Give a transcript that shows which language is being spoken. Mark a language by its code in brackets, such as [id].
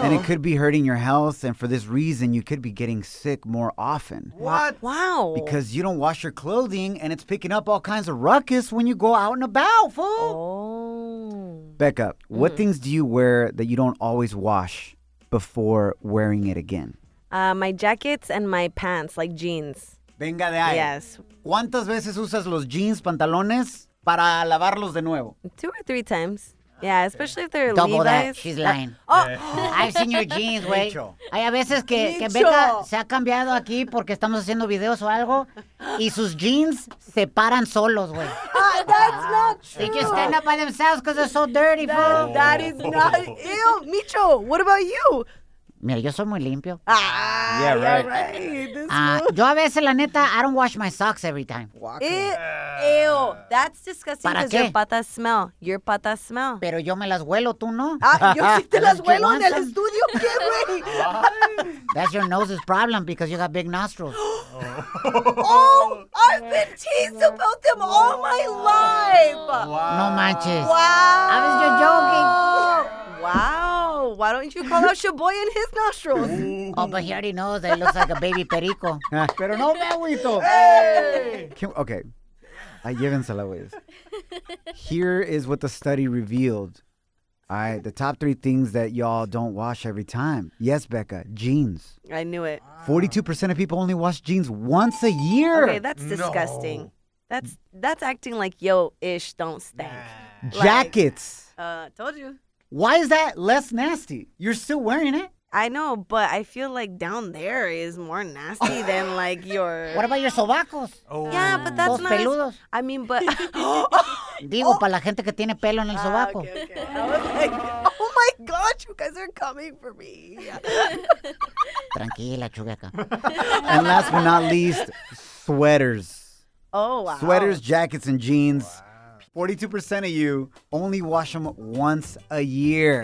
[en] And it could be hurting your health, and for this reason, you could be getting sick more often. What? Wow. Because you don't wash your clothing, and it's picking up all kinds of ruckus when you go out and about, fool. Oh. Becca, what things do you wear that you don't always wash before wearing it again? My jackets and my pants, like jeans. [es] Venga de ahí. [en] Yes. [es] ¿Cuántas veces usas los jeans, pantalones, para lavarlos de nuevo? [en] 2 or 3 times. Yeah, especially if they're Double Levi's. Double that. She's lying. Oh. I've seen your jeans, güey. [es] Hay a veces que Becca se ha cambiado aquí porque estamos haciendo videos o algo y sus jeans se paran solos, güey. [en] That's not true. They just stand up by themselves because they're so dirty, fool. That is not... Ew, Micho, what about you? [es] Mira, yo soy muy limpio. [en] Yeah, right. [es] Yo a veces, la neta, [en] I don't wash my socks every time. Ew, that's disgusting because your patas smell. Your patas smell. [es] Pero yo me las huelo, tú no. Yo sí te las huelo en el estudio, ¿qué, güey? [en] That's your nose's problem because you got big nostrils. Oh, I've been teased about them all my life. [es] Wow. No manches. [en] Wow. I was just joking. Wow. Why don't you call out Shaboy in his nostrils? Oh, but he already knows that he looks like a baby perico. [es] Pero no me agüito. [en] Hey! Okay. [es] Llévensela, güeyes. [en] Here is what the study revealed. All right, the top three things that y'all don't wash every time. Yes, Becca, jeans. I knew it. 42% of people only wash jeans once a year. Okay, that's disgusting. No. That's acting like yo ish don't stink. Nah. Like, jackets. Told you. Why is that less nasty? You're still wearing it. I know, but I feel like down there is more nasty than like your. What about your sobacos? Oh. Yeah, but that's not. Peludos. I mean, but. [es] Digo, para la gente que tiene pelo en el sobaco. [en] Okay. Oh my God, you guys are coming for me. [es] Tranquila, chugueca. [en] And last but not least, sweaters. Oh, wow. Sweaters, jackets, and jeans. Wow. 42% of you only wash them once a year.